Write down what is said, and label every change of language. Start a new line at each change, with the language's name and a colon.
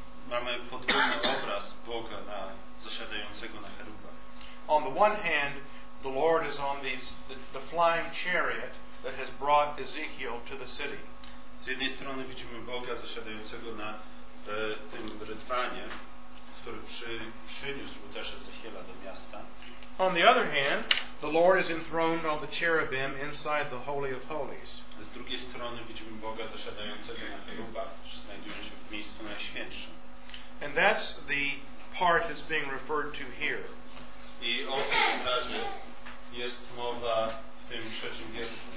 Polish: Mamy podwójny obraz Boga na zasiadającego na cherubach.
English: On the one hand, the Lord is on these the flying chariot that has brought Ezekiel to the city.
Polish: Z Z jednej strony widzimy Boga zasiadającego na tym rydwanie, który przyniósł też Ezechiela do miasta.
English: On the other hand, the Lord is enthroned on the cherubim inside the Holy of Holies.
Polish: Z drugiej strony widzimy Boga zasiadającego na cherubach, którzy znajdują się w miejscu najświętszym.
English: And that's the part that's being referred to here.
Polish: I o tym razie jest mowa w tym trzecim wierszu.